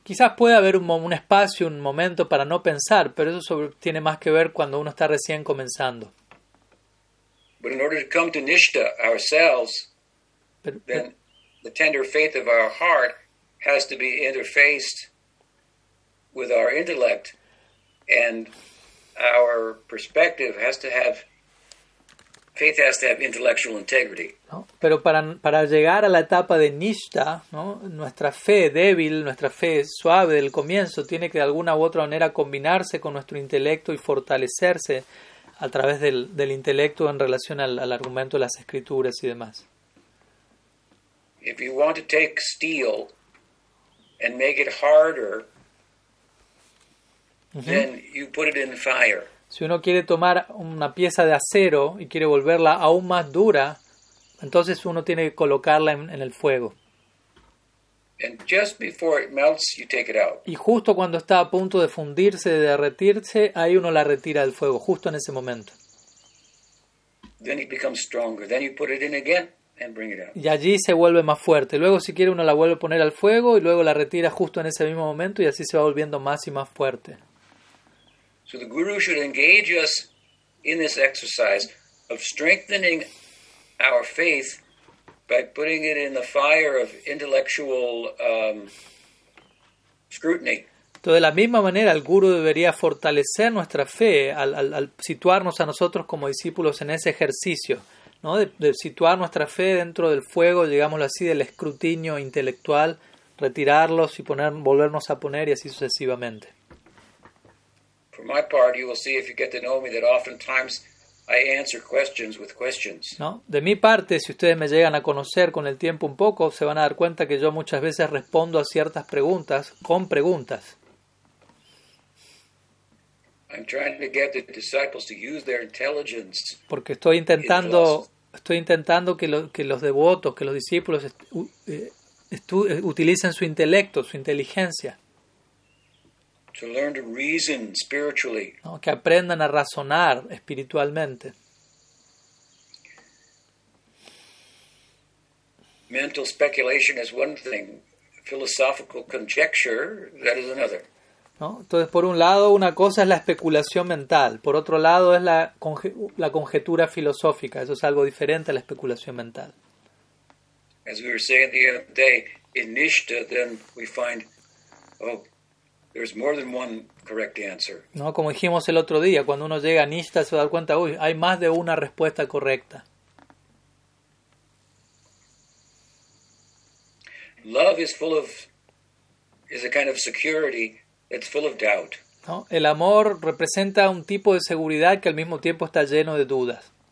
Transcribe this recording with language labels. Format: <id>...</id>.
<es>Quizás puede haber un espacio, un momento para no pensar, pero eso tiene más que ver cuando uno está recién comenzando.</es> <en>But in order to come to Nishta ourselves, then the tender faith of our heart has to be interfaced with our intellect, and our perspective has to have, faith has to have intellectual integrity.</en> <es>No, pero para llegar a la etapa de Nishta, ¿no? Nuestra fe débil, nuestra fe suave del comienzo, tiene que de alguna u otra manera combinarse con nuestro intelecto y fortalecerse a través del intelecto en relación al argumento de las escrituras y demás.</es> <en>If you want to take steel and make it harder, then you put it in fire.</en> <es>Si uno quiere tomar una pieza de acero y quiere volverla aún más dura, entonces uno tiene que colocarla en el fuego.</es> <en>And just before it melts, you take it out.</en> <es>Y justo cuando está a punto de fundirse, de derretirse, ahí uno la retira del fuego, justo en ese momento.</es> <en>Then it becomes stronger. Then you put it in again and bring it out.</en> <es>Y allí se vuelve más fuerte. Luego, si quiere, uno la vuelve a poner al fuego y luego la retira justo en ese mismo momento y así se va volviendo más y más fuerte.</es> <en>So the guru should engage us in this exercise of strengthening our faith by putting it in the fire of intellectual scrutiny.</en> <es>Entonces, de la misma manera, el guru debería fortalecer nuestra fe al situarnos a nosotros como discípulos en ese ejercicio, ¿no? De situar nuestra fe dentro del fuego, digámoslo así, del escrutinio intelectual, retirarlos y volvernos a poner y así sucesivamente.</es> <en>For my part, you will see if you get to know me that oftentimes I answer questions with questions.</en> <es>No, de mi parte, si ustedes me llegan a conocer con el tiempo un poco, se van a dar cuenta que yo muchas veces respondo a ciertas preguntas con preguntas.</es> <en>I'm trying to get the disciples to use their intelligence.</en> <es>Porque estoy intentando que los devotos, que los discípulos utilicen su intelecto, su inteligencia.</es> <en>To learn to reason spiritually.</en> <es>No, que aprendan a razonar espiritualmente.</es> <en>Mental speculation is one thing. Philosophical conjecture, that is another.</en> <es>No, entonces, por un lado, una cosa es la especulación mental. Por otro lado, es la conjetura filosófica. Eso es algo diferente a la especulación mental.</es> <en>As we were saying the other day, in Nishta, then we find, oh, there's more than one correct answer.</en> <es>No, como dijimos el otro día, cuando uno llega a Nishta se da cuenta, uy, hay más de una respuesta correcta.</es> <en>Love is a kind of security that's full of doubt.</en> <es>No, el amor representa un tipo de seguridad que al mismo tiempo está lleno de dudas.</es>